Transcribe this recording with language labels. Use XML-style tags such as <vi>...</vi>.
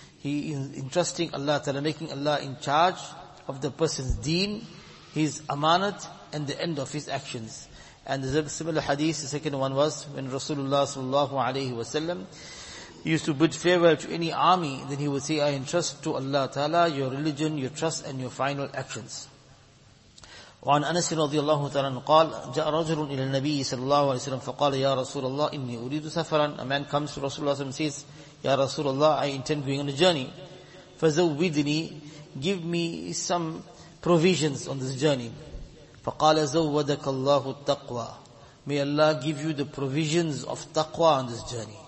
<en>He is entrusting Allah ta'ala, making Allah in charge of the person's deen, his amanat, and the end of his actions. And the similar hadith, the second one was, when Rasulullah sallallahu alayhi wasallam used to bid farewell to any army, then he would say, I entrust to Allah ta'ala your religion, your trust, and your final actions.</en> <ar>وعن أنس رضي الله تعالى قال جاء رجل إلى النبي صلى الله عليه وسلم فقال يا رسول الله إني أريد سفرا.</ar> <en>A man comes to Rasulullah sallallahu alayhi wasallam and says,</en> <ar>يا رسول الله,</ar> <en>I intend going on a journey.</en> <ar>فزودني,</ar> <en>give me some provisions on this journey.</en> <ar>فقال زودك الله التقوى.</ar> <en>May Allah give you the provisions of taqwa on this journey.</en>